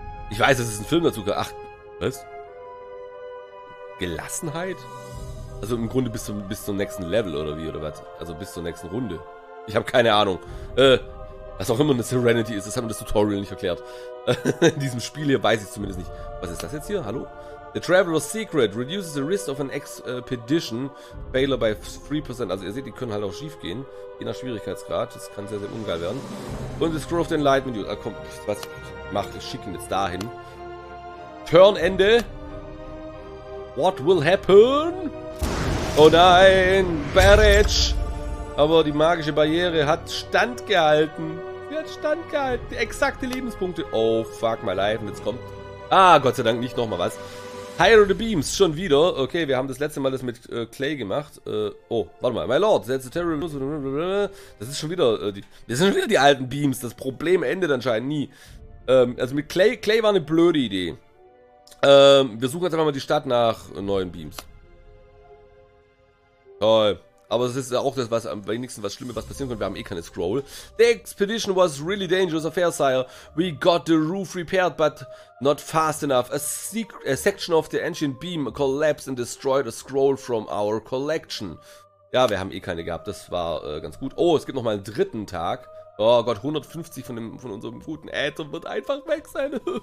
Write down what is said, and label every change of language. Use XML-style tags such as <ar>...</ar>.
<de>Ich weiß, das ist ein Film dazu. Ach, was? Gelassenheit? Also im Grunde bis zum nächsten Level oder wie oder was? Also bis zur nächsten Runde. Ich habe keine Ahnung. Was auch immer eine Serenity ist, das hat mir das Tutorial nicht erklärt. In diesem Spiel hier weiß ich zumindest nicht. Was ist das jetzt hier? Hallo?</de> <en>The Traveler's Secret reduces the risk of an expedition failure by 3%.</en> <de>Also ihr seht, die können halt auch schief gehen. Je nach Schwierigkeitsgrad. Das kann sehr, sehr ungeil werden. Und the Scroll of the Enlightenment. Ah, komm, was mach ich? Schick ihn jetzt dahin. Turnende.</de> <en>What will happen?</en> <de>Oh nein!</de> <en>Barrage!</en> <de>Aber die magische Barriere hat standgehalten. Sie hat standgehalten. Die exakte Lebenspunkte.</de> <en>Oh, fuck my life.</en> <de>Und jetzt kommt... Ah, Gott sei Dank, nicht nochmal was.</de> <en>Hire the Beams,</en> <de>schon wieder. Okay, wir haben das letzte Mal das mit Clay gemacht. Warte mal.</de> <en>My Lord, that's a terrible...</en> <de>Das ist schon wieder... Das sind schon wieder die alten Beams. Das Problem endet anscheinend nie. Also mit Clay... Clay war eine blöde Idee. Wir suchen jetzt einfach mal die Stadt nach neuen Beams. Toll. Aber es ist ja auch das, was am wenigsten was Schlimmes was passieren kann. Wir haben eh keine Scroll.</de> <en>The expedition was really dangerous affair, Sire. We got the roof repaired, but not fast enough. A section of the ancient beam collapsed and destroyed a scroll from our collection.</en> <de>Ja, wir haben eh keine gehabt. Das war ganz gut. Oh, es gibt nochmal einen dritten Tag. Oh Gott, 150 von unserem guten Äther wird einfach weg sein.</de>